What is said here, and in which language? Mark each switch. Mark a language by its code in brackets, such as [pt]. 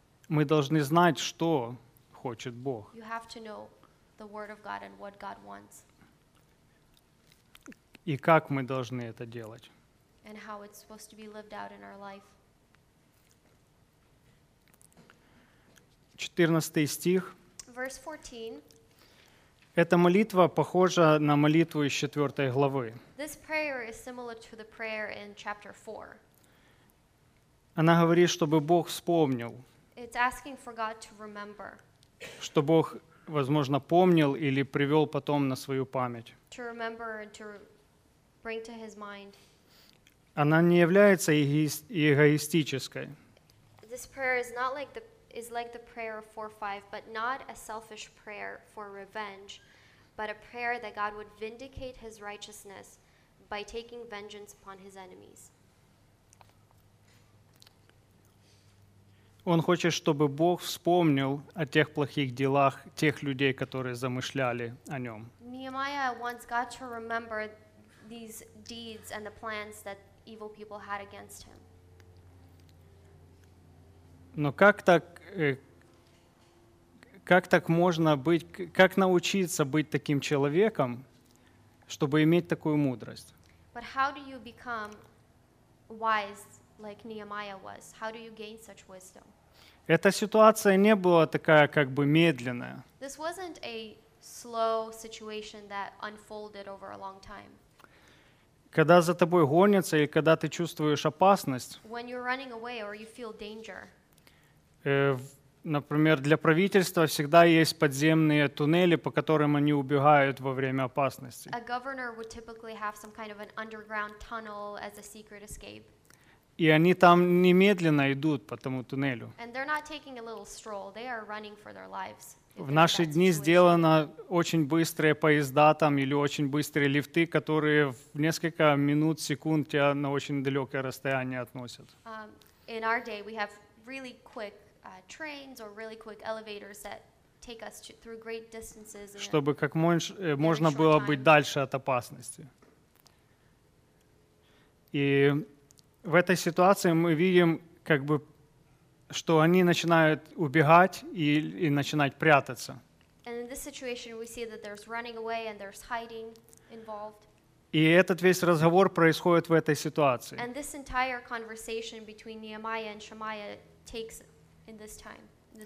[ru] мы должны знать, что хочет Бог. [en] You have to know the Word of God and what God wants. [ru] И как мы должны это делать. [en] And how it's supposed to be lived out in our life. [ru] 14 стих. [en] Verse 14. [ru] Эта молитва похожа на молитву из 4 главы. [en] This prayer is similar to the prayer in chapter 4. [ru] Она говорит, чтобы Бог вспомнил. [en] It's asking for God to remember. [ru] Что Бог, возможно, помнил или привел потом на свою память. [en] To remember and to bring to his mind. [ru] Она не является эгоистической. [en] This prayer is not like the is like the prayer of 4:5, but not a selfish prayer for revenge, but a prayer that God would vindicate his righteousness by taking vengeance upon his enemies. [ru] Он хочет, чтобы Бог вспомнил о тех плохих делах тех людей, которые замышляли о нем. [en] Nehemiah wants God to remember these deeds and the plans that evil people had against him. [ru] Но как так можно быть, как научиться быть таким человеком, чтобы иметь такую мудрость? [en] But how do you become wise like Nehemiah was? How do you gain such wisdom? [ru] Эта ситуация не была такая как бы медленная. [en] This wasn't a slow situation that unfolded over a long time. [ru] Когда за тобой гонятся или когда ты чувствуешь опасность, [en] when you're running away or you feel danger, [ru] например, для правительства всегда есть подземные туннели, по которым они убегают во время опасности. [en] A governor would typically have some kind of an underground tunnel as a secret escape. [ru] И они там немедленно идут по тому туннелю. [en] And they're not taking a little stroll, they are running for their lives. [ru] В наши дни сделаны очень быстрые поезда там или очень быстрые лифты, которые в несколько минут, секунд тебя на очень далекое расстояние относят. [en] In our day we have really quick trains or really quick elevators that take us through great distances. [ru] Чтобы как можно было быть дальше от опасности. И в этой ситуации мы видим, как бы, что они начинают убегать и начинать прятаться. [en] And in this situation, we see that there's running away and there's hiding involved. [ru] И этот весь разговор происходит в этой ситуации. [en] And this entire conversation between Nehemiah and Shemaiah takes in this time, this